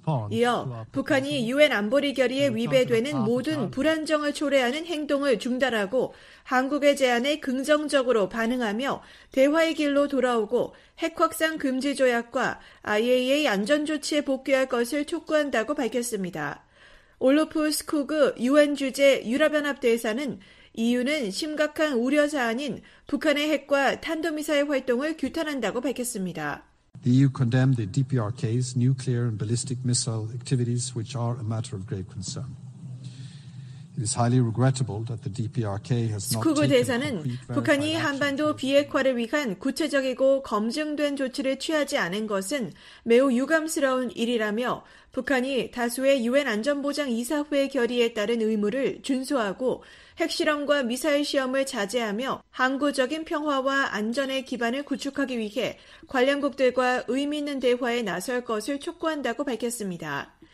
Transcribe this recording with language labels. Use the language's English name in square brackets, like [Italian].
[Korean] 이어 북한이 유엔 안보리 결의에 위배되는 모든 불안정을 초래하는 행동을 중단하고 한국의 제안에 긍정적으로 반응하며 대화의 길로 돌아오고 핵 확산 금지 조약과 IAEA 안전 조치에 복귀할 것을 촉구한다고 밝혔습니다. 올로프 스쿠그 유엔 주재 유럽연합 대사는 EU는 심각한 우려 사안인 북한의 핵과 탄도 미사일 활동을 규탄한다고 밝혔습니다. [English] The EU condemned the DPRK's nuclear and ballistic missile activities, which are a matter of grave concern. It is highly regrettable that the DPRK has not taken concrete action. [Korean] 대사는 북한이 한반도 비핵화를 위한 구체적이고 검증된 조치를 취하지 않은 것은 매우 유감스러운 일이라며 북한이 다수의 유엔 안전보장 이사회 결의에 따른 의무를 준수하고 핵실험과 미사일 시험을 자제하며 항구적인 평화와 안전의 기반을 구축하기 위해 관련국들과 의미 있는 대화에 나설 것을 촉구한다고 밝혔습니다.